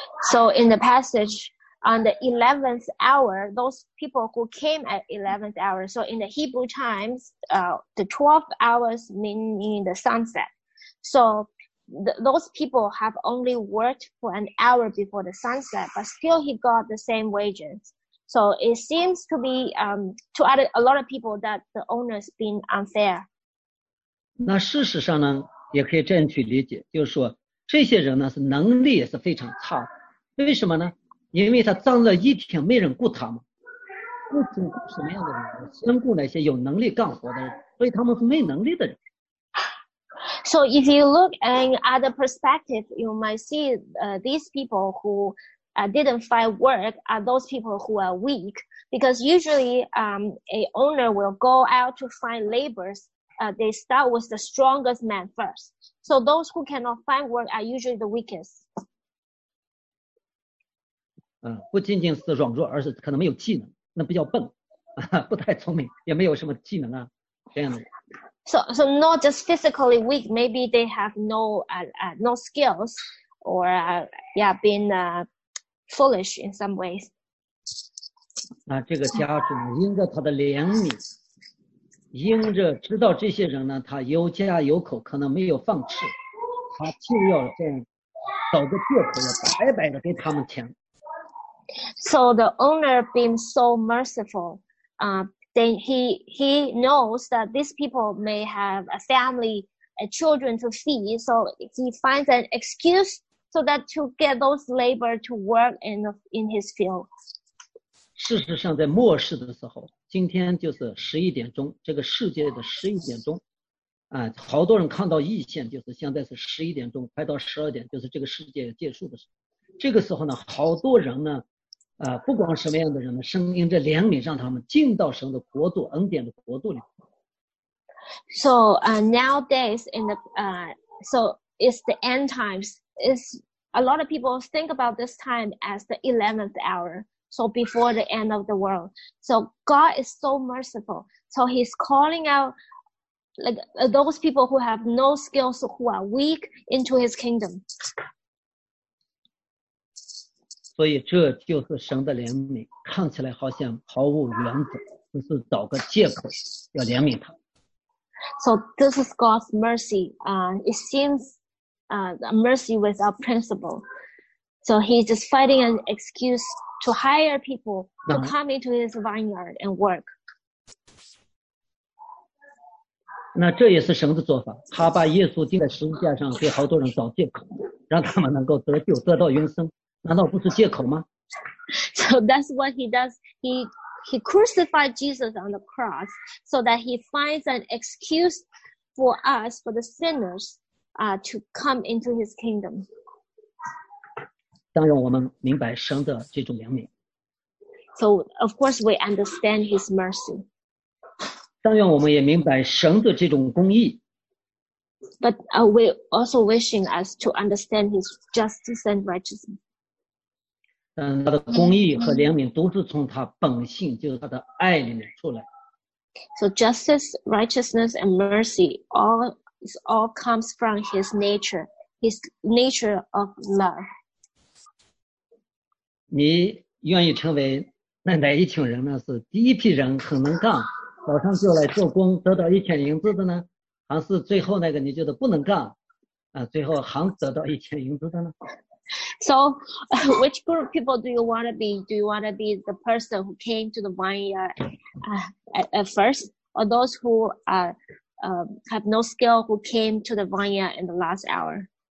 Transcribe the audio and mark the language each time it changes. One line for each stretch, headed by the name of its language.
English: So in the passage, on the 11th hour, those people who came at 11th hour, so in the Hebrew times, the 12th hours meaning the sunset. So those people have only worked for an hour before the sunset, but still he got the same wages. So it seems to be, to a lot of people that the owner's been unfair.
Chinese: 那事实上呢，也可以这样去理解，就是说这些人呢是能力也是非常差，为什么呢？因为他站了一天没人雇他嘛，雇什么样的人？先雇那些有能力干活的人，所以他们是没能力的人。
English: So if you look in other perspective, you might see these people who didn't find work are those people who are weak, because usually a owner will go out to find laborers. They start with the strongest man first. So those who cannot find work are usually the weakest.
Chinese: 不仅仅是软弱，而是可能没有技能，那比较笨，不太聪明，也没有什么技能啊，这样的。
English: So not just physically weak, maybe they have no skills or being foolish in some ways.
Chinese: 那这个家主因着他的怜悯，因着知道这些人呢，他有家有口，可能没有饭吃，他就要这样找个借口，要白白的给他们钱。
English: So the owner being so merciful, then he knows that these people may have a family, a children to feed, so he finds an excuse so that to get those labor to work in his field.
Chinese: 事实上在末世的时候，今天就是11点钟，这个世界的11点钟，好多人看到异现，就是现在是11点钟，快到12点，就是这个世界结束的时候。这个时候呢，好多人呢，不光什么样的人呢，神因着怜悯让他们进到神的国度，恩典的国度里。
English: So nowadays in the so it's the end times. It's a lot of people think about this time as the 11th hour. So before the end of the world. So God is so merciful. So He's calling out like those people who have no skills, who are weak, into His kingdom.
Chinese: 所以这就是神的怜悯，看起来好像毫无原则，就是找个借口要怜悯他。
English: So this is God's mercy. It seems a mercy without principle. So He's just finding an excuse to hire people to come into His vineyard and work.
Chinese: 那这也是神的做法，他把耶稣钉在十字架上，给好多人找借口，让他们能够得救，得到永生。难道不是借口吗？
English: So that's what he does. He crucified Jesus on the cross so that he finds an excuse for us, for the sinners, to come into his kingdom.
Chinese: 当然我们明白神的这种怜悯。
English: So of course we understand his mercy.
Chinese: 当然我们也明白神的这种公义。
English: But we also wishing us to understand his justice and righteousness.
Chinese: 他的公义和怜悯都是从他本性，就是他的爱里面出来。
English: So justice, righteousness, and mercy all comes from his nature of love.
Chinese: 你愿意成为那哪一群人呢？是第一批人很能干，早上就来做工，得到一千银子的呢？还是最后那个你觉得不能干，最后还得到一千银子的呢？
English: So, which group of people do you want to be? Do you want to be the person who came to the vineyard at first, or those who have no skill who came to the vineyard in the last hour?